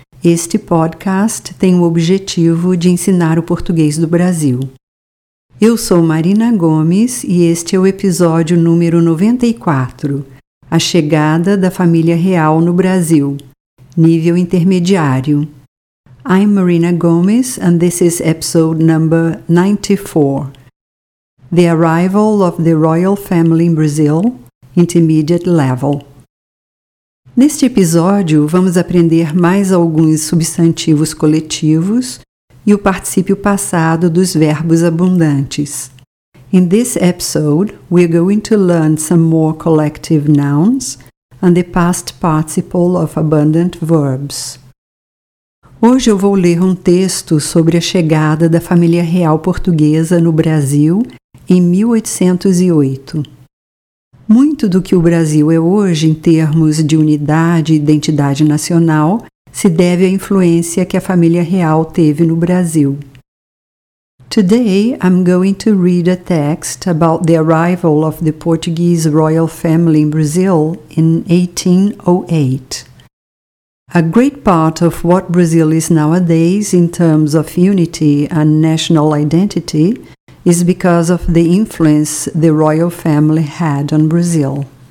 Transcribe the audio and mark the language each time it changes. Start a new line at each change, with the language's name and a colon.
Portuguese: Este podcast tem o objetivo de ensinar o português do Brasil. Eu sou Marina Gomes e este é o episódio número 94, A Chegada da Família Real no Brasil, Nível Intermediário.
English: I'm Marina Gomes and this is episode number 94. The Arrival of the Royal Family in Brazil, Intermediate Level.
Portuguese: Neste episódio, vamos aprender mais alguns substantivos coletivos e o particípio passado dos verbos abundantes.
English: In this episode, we're going to learn some more collective nouns and the past participle of abundant verbs.
Portuguese: Hoje eu vou ler um texto sobre a chegada da família real portuguesa no Brasil em 1808. Muito do que o Brasil é hoje em termos de unidade e identidade nacional se deve à influência que a família real teve no Brasil.
English: Today, I'm going to read a text about the arrival of the Portuguese royal family in Brazil in 1808. A great part of what Brazil is nowadays in terms of unity and national identity is because of the influence the royal family had on Brazil.